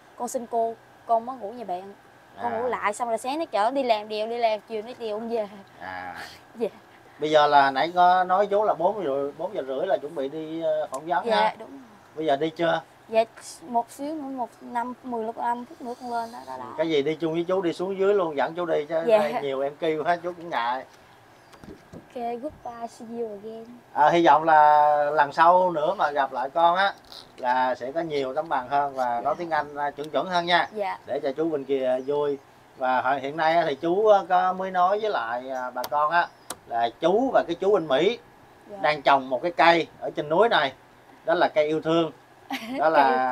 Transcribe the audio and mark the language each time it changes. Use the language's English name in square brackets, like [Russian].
[Vietnamese] Con xin cô, con mới ngủ nhà bạn. Con ngủ lại xong rồi sáng nó chở đi làm chiều nó đi về. Bây giờ là nãy có nói chú là 4 giờ rưỡi là chuẩn bị đi phỏng vấn. Dạ, đúng rồi. Bây giờ đi chưa? Dạ, một xíu nữa, 15 phút nữa con lên đó. Cái gì đi chung với chú, đi xuống dưới luôn, dẫn chú đi chứ. Dạ. Nhiều em kêu hết, chú cũng ngại. [English] Ok, goodbye, see you again. [Vietnamese] Hy vọng là lần sau nữa mà gặp lại con á, là sẽ có nhiều tấm bằng hơn và nói tiếng Anh chuẩn hơn nha. Dạ. Để cho chú bên kia vui. Và hiện nay thì chú có mới nói với lại bà con á, là chú và cái chú bên Mỹ đang trồng một cái cây ở trên núi này, đó là cây yêu thương, đó là